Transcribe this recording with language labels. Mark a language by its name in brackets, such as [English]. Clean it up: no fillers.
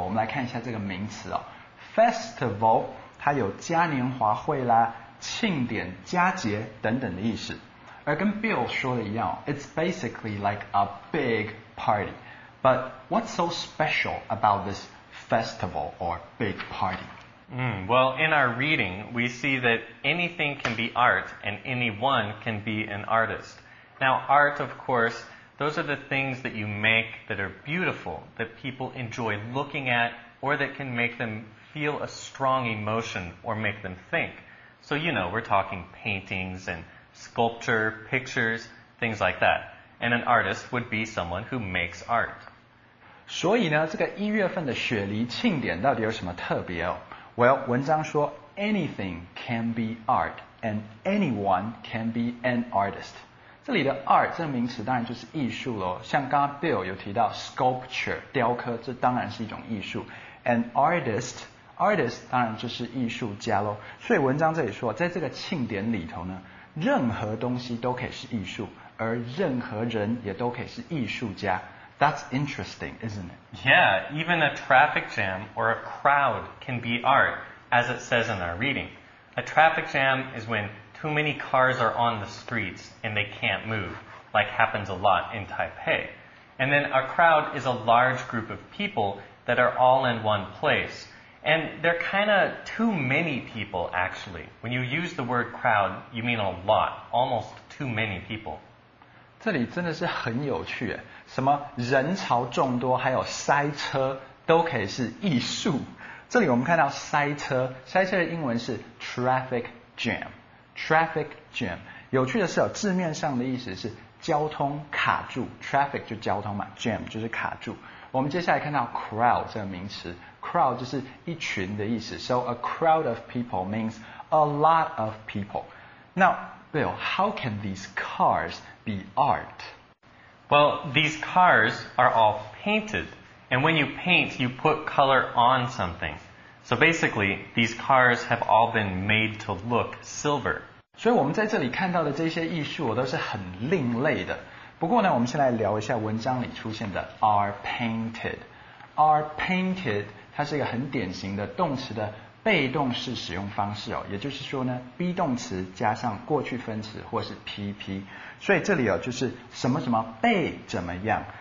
[Chinese] 我们来看一下这个名词哦。 [English] Festival... [Chinese] 它有嘉年华会啦、庆典、佳节等等的意思。而跟 Bill 说的一样 [English] ，It's basically like a big party. But what's so special about this festival or big party? Well, in our reading, we see that anything can be art, and anyone can be an artist. Now, art, of course, those are the things that you make that are beautiful, that people enjoy looking at, or that can make them. Feel a strong emotion or make them think. So, you know, we're talking paintings and sculpture, pictures, things like that. And an artist would be someone who makes art. [Chinese] 所以呢，这个一月份的雪梨庆典到底有什么特别哦？ [English] Well, [Chinese] 文章说 [English] anything can be art and anyone can be an artist. [Chinese] 这里的 art 这个名词当然就是艺术咯。像刚刚 Bill 有提到 sculpture, 雕刻，这当然是一种艺术。 An artistArtist 当然就是艺术家咯，所以文章这里说，在这个庆典里头呢，任何东西都可以是艺术，而任何人也都可以是艺术家。 [English] That's interesting, isn't it? Yeah, even a traffic jam or a crowd can be art, as it says in our reading. A traffic jam is when too many cars are on the streets and they can't move, like happens a lot in Taipei. And then a crowd is a large group of people that are all in one place. And they're kind of too many people, actually. When you use the word crowd, you mean a lot, almost too many people. [Chinese] 这里真的是很有趣耶，什么人潮众多，还有塞车，都可以是艺术。这里我们看到塞车，塞车的英文是 traffic jam, traffic jam. 有趣的是，字面上的意思是交通卡住 ,traffic 就交通嘛 ,jam 就是卡住。我们接下来看到 crowd 这个名词。 [English] Crowd [Chinese] 就是一群的意思 [English] So a crowd of people means a lot of people. Now, Bill, how can these cars be art? Well, these cars are all painted. And when you paint, you put color on something. So basically, these cars have all been made to look silver. [Chinese] 所以我们在这里看到的这些艺术都是很另类的。不过呢，我们先来聊一下文章里出现的 are painted. Are painted...它是一个很典型的动词的被动式使用方式哦，也就是说呢 ，be 动词加上过去分词或是 PP， 所以这里哦就是什么什么被怎么样。